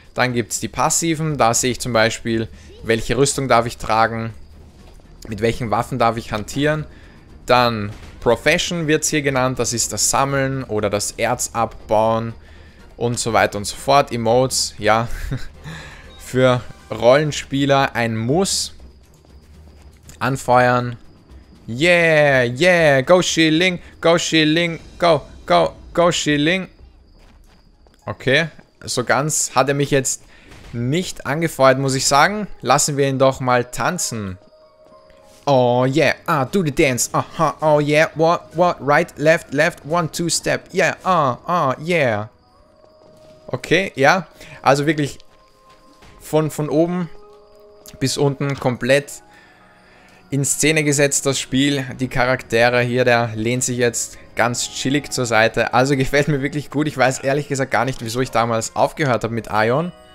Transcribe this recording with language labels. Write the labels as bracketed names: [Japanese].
[German] Dann gibt es die passiven. Da sehe ich zum Beispiel, welche Rüstung darf ich tragen, mit welchen Waffen darf ich hantieren. Dann Profession wird es hier genannt. Das ist das Sammeln oder das Erz abbauen und so weiter und so fort. Emotes, ja, für Rollenspieler ein Muss. Anfeuern. [English] Yeah, yeah, go Shilling, go Shilling, go, go, go Shilling. [German] Okay, so ganz hat er mich jetzt nicht angefeuert, muss ich sagen. Lassen wir ihn doch mal tanzen. [English] Oh yeah, do the dance, oh yeah, what, right, left, left, one, two, step, yeah, yeah. [German] Okay, ja, also wirklich von oben bis unten komplett in Szene gesetzt, das Spiel. Die Charaktere hier, der lehnt sich jetzt ganz chillig zur Seite. Also gefällt mir wirklich gut. Ich weiß ehrlich gesagt gar nicht, wieso ich damals aufgehört habe mit Aion.